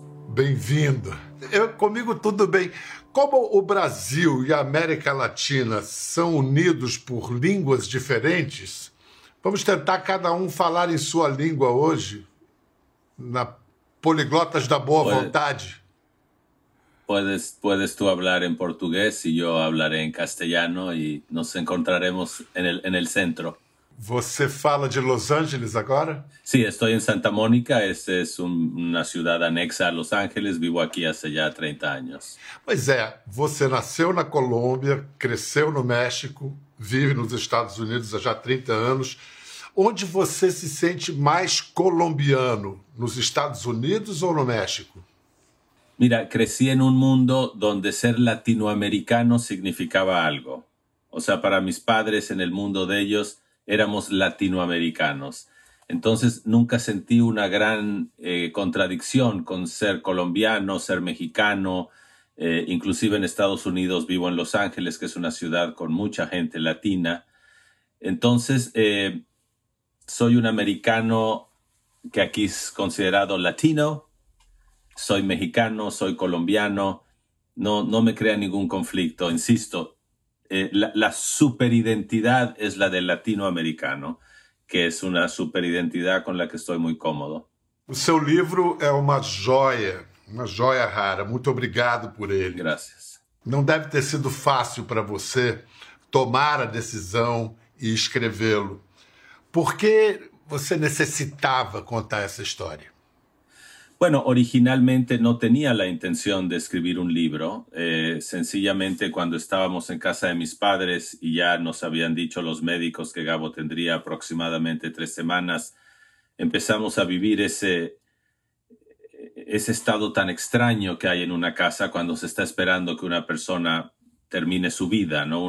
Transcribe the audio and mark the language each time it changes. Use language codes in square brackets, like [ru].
[pt] Bem-vindo. Comigo tudo bem. Como o Brasil e a América Latina são unidos por línguas diferentes, vamos tentar cada um falar em sua língua hoje, na Poliglotas da Boa Vontade. [es] Puedes tú hablar en portugués y yo hablaré en castellano y nos encontraremos en el centro. [pt] ¿Você fala de Los Ángeles [es] ahora? Sí, estoy en Santa Mónica. Esta es una ciudad anexa a Los Ángeles. Vivo aquí hace ya 30 años. [pt] Pues é, você nasceu na Colômbia, cresceu no México, vive nos Estados Unidos há já 30 anos. Onde você se sente mais colombiano, nos Estados Unidos ou no México? [es] Mira, crecí en un mundo donde ser latinoamericano significaba algo. O sea, para mis padres, en el mundo de ellos, éramos latinoamericanos. Entonces, nunca sentí una gran contradicción con ser colombiano, ser mexicano. Inclusive en Estados Unidos vivo en Los Ángeles, que es una ciudad con mucha gente latina. Entonces, soy un americano que aquí es considerado latino. Soy mexicano, soy colombiano, no me crea ningún conflicto, insisto. La superidentidad es la del latinoamericano, que es una superidentidad con la que estoy muy cómodo. [pt] O seu livro é uma joia rara. Muito obrigado por ele. [es] Gracias. [pt] Não deve ter sido fácil para você tomar a decisão e escrevê-lo. Por que você necessitava contar essa história? [es] Bueno, originalmente no tenía la intención de escribir un libro. Sencillamente, cuando estábamos en casa de mis padres y ya nos habían dicho los médicos que Gabo tendría aproximadamente 3 semanas, empezamos a vivir ese estado tan extraño que hay en una casa cuando se está esperando que una persona termine su vida, ¿no?